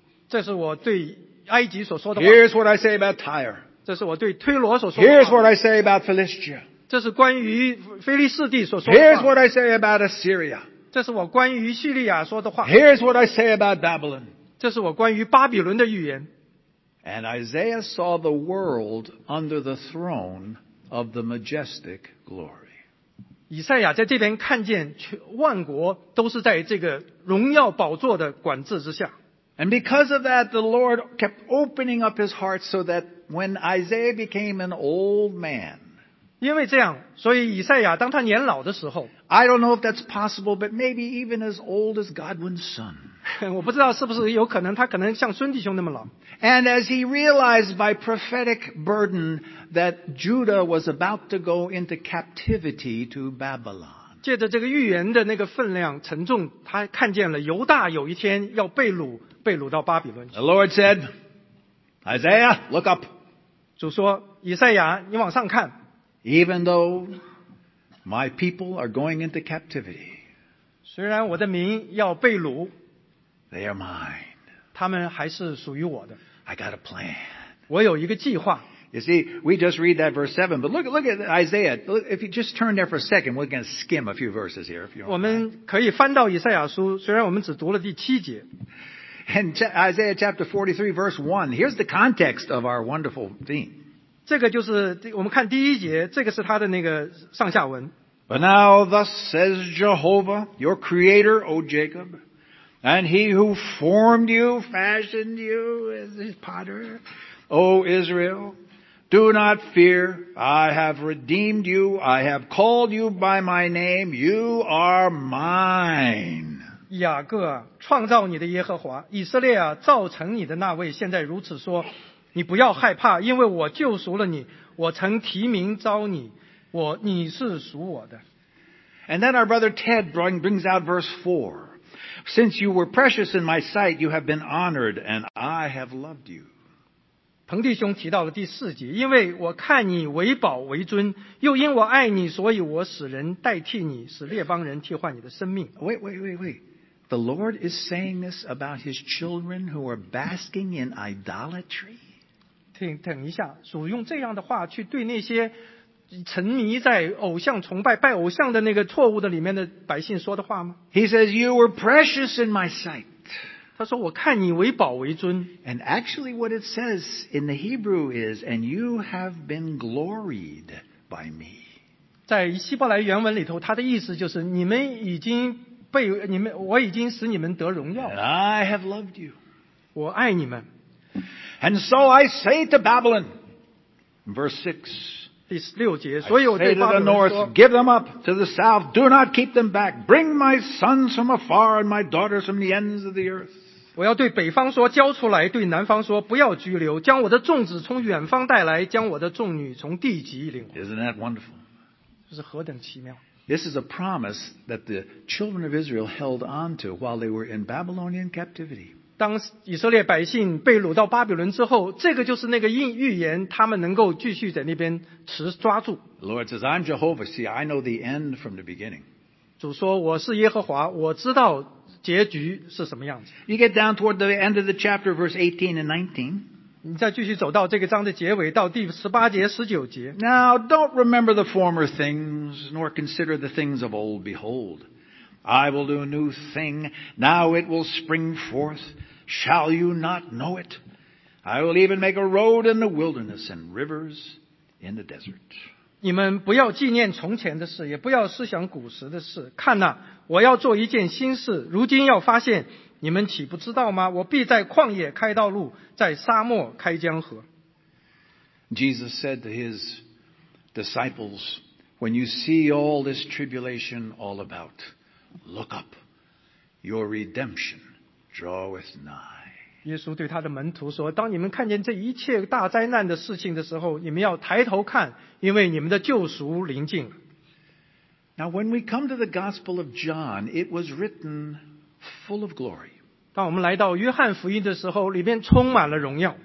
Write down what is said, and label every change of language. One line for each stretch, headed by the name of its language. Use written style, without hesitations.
Chinese: 这是我对埃及所说的话。
English: Here's what I say about Tyre.
Chinese: 这是我对推罗所说的话。
English: Here's what I say about Philistia.
Chinese: 这是关于腓力士地所说的话。
English: Here's what I say about Assyria.
Chinese: 这是我关于叙利亚说的话。
English: Here's what I say about Babylon.
Chinese: 这是我关于巴比伦的预言。
English: And Isaiah saw the world under the throne of the majestic glory.
Chinese: 以赛亚在这边看见万国都是在这个荣耀宝座的管制之下。
English: And because of that, the Lord kept opening up his heart so that when Isaiah became an old man,
Chinese: 因为这样，所以以赛亚当他年老的时候，
English: I don't know if that's possible, but maybe even as old as Godwin's son.
Chinese: 我不知道是不是有可能，他可能像孙弟兄那么老。
English: And as he realized by prophetic burden that Judah was about to go into captivity to Babylon.
Chinese: 借着这个预言的那个分量沉重，他看见了犹大有一天要被掳，被掳到巴比伦。
English: The Lord said, "Isaiah, look up."
Chinese: 主说，以赛亚，你往上看。
English: Even though my people are going into captivity,
Chinese: 虽然我的民要被掳
English: ，they are mine.
Chinese: 他们还是属于我的。
English: I got a plan.
Chinese: 我有一个计划。
English: You see, we just read that verse 7, but look at Isaiah. If you just turn there for a second, we're going to skim a few verses here. If you don't
Chinese: 我们可以翻到以赛亚书，虽然我们只读了第七节。
English: And Isaiah chapter 43, verse 1, here's the context of our wonderful theme.
Chinese: 这个就是我们看第一节，这个是它的那个上下文。
English: But now thus says Jehovah, your creator, O Jacob, and he who formed you, fashioned you as his potter, O Israel,Do not fear, I have redeemed you, I have called you by my name, you are mine.
Chinese: 雅各啊，创造你的耶和华，以色列啊，造成你的那位，现在如此说，你不要害怕，因为我救赎了你，我曾提名召你，你是属我的。
English: And then our brother Ted brings out verse 4. Since you were precious in my sight, you have been honored, and I have loved you.
Chinese: 彭弟兄提到了第四节，因为我看你为宝为尊，又因我爱你，所以我使人代替你，使列邦人替换你的生命。
English: Wait. The Lord is saying this about his children who are basking in idolatry?
Chinese: 等一下，主用这样的话去对那些沉迷在偶像崇拜、拜偶像的那个错误的里面的百姓说的话吗？
English: He says, you were precious in my sight.
Chinese: 他说我看你为宝为尊。
English: And actually what it says in the Hebrew is, and you have been gloried by me.
Chinese: 在希伯来原文里头他的意思就是你们已经被你们我已经使你们得荣耀。
English: And I have loved you.
Chinese: 我爱你们。
English: And so I say to Babylon, verse
Chinese: 6, 第六节所以我对巴比伦说
English: I say to the north, give them up to the south, do not keep them back. Bring my sons from afar and my daughters from the ends of the earth.
Chinese: 我要对北方说交出来对南方说不要拘留将我的众子从远方带来将我的众女从地极领回
English: Isn't that wonderful?
Chinese: 这是何等奇妙
English: This is a promise that the children of Israel held on to while they were in Babylonian captivity.
Chinese: 当以色列百姓被掳到巴比伦之后这个就是那个预言他们能够继续在那边持抓住
English: The Lord says, I'm Jehovah, see, I know the end from the beginning.
Chinese: 主说我是耶和华我知道结局是什么样子
English: You get down toward the end of the chapter, verse 18 and 19.
Chinese: 你再继续走到这个章的结尾，到第十八节、十九节。
English: Now, don't remember the former things, nor consider the things of old. Behold, I will do a new thing. Now it will spring forth. Shall you not know it? I will even make a road in the wilderness and rivers in the desert.
Chinese: 你们不要纪念从前的事，也不要思想古时的事。看哪。我要做一件新事如今要发现你们岂不知道吗我必在旷野开道路在沙漠开江河。
English: Jesus said to his disciples, when you see all this tribulation all about, look up. Your redemption draweth nigh.
Chinese: 耶稣对他的门徒说, 当你们看见这一切大灾难的事情的时候, 你们要抬头看, 因为你们的救赎临近。
English: Now when we come to the Gospel of John, it was written full of glory.
Chinese: 当我们来到约翰福音的时候, 里面充满了荣耀。